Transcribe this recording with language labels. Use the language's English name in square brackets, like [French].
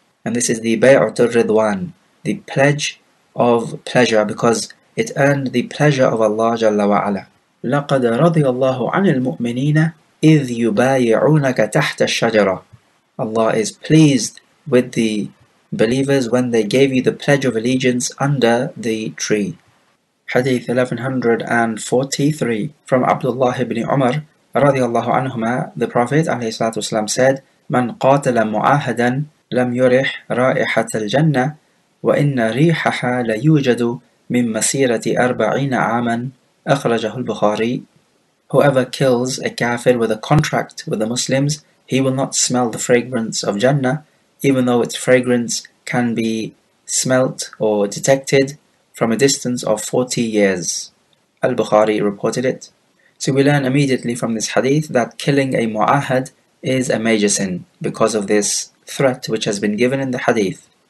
[English] And this is the Bay'atul Ridwan, the Pledge of Pleasure, because it earned the pleasure of Allah Jalla wa Ala. [Arabic] لَقَدْ رَضِيَ اللَّهُ عَنِ الْمُؤْمِنِينَ إِذْ يُبَايِعُونَكَ تَحْتَ الشَّجَرَةِ [English] Allah is pleased with the believers when they gave you the Pledge of Allegiance under the tree. Hadith 1143 from Abdullah ibn Umar [Arabic] رضي الله عنهما, [English] the Prophet [Arabic] عليه الصلاة والسلام [English] said, [Arabic] من قاتل معاهدا لم يرح رائحة الجنة وإن ريحها ليوجد من مسيرة أربعين عاما أخرجه البخاري. [English] Whoever kills a kafir with a contract with the Muslims, he will not smell the fragrance of Jannah, even though its fragrance can be smelt or detected from a distance of 40 years. Al-Bukhari reported it. So we learn immediately from this hadith that killing a mu'ahad is a major sin because of this threat which has been given in the hadith.